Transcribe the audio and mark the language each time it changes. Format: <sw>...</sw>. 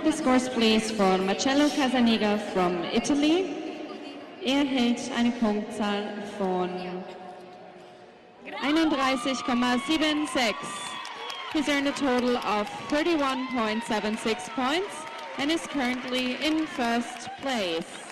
<en>The scores please for Marcello Casaniga from Italy.</en> <de>Er hält eine Punktzahl von 31,76.</de> <en>He's earned a total of 31.76 points and is currently in first place.</en>